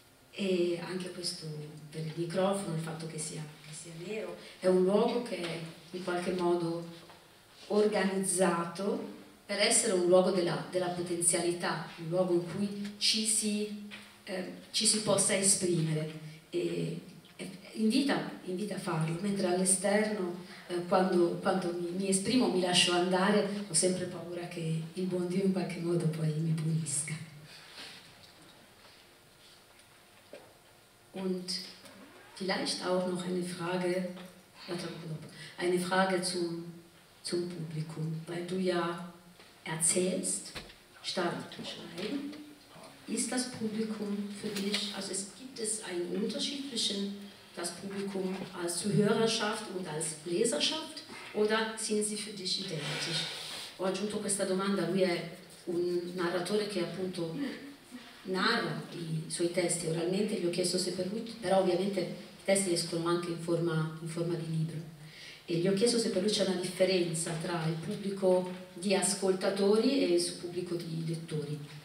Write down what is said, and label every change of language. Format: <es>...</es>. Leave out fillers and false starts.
<it>E anche questo per il microfono, il fatto che sia nero, è un luogo che è in qualche modo organizzato per essere un luogo della potenzialità, un luogo in cui ci si possa esprimere e invita a farlo, mentre all'esterno quando mi esprimo, mi lascio andare, ho sempre paura che il buon Dio in qualche modo poi mi punisca.</it> <de>Und vielleicht auch noch eine Frage zum Publikum, weil du ja erzählst statt schreiben. Ist das Publikum für dich, also gibt es einen Unterschied zwischen das Publikum als Zuhörerschaft und als Leserschaft, oder sind sie für dich identisch?</de> <it>Ho aggiunto questa domanda, lui è un narratore che appunto narra i suoi testi oralmente, gli ho chiesto se per lui, però ovviamente testi escono anche in forma di libro, e gli ho chiesto se per lui c'è una differenza tra il pubblico di ascoltatori e il pubblico di lettori.</it>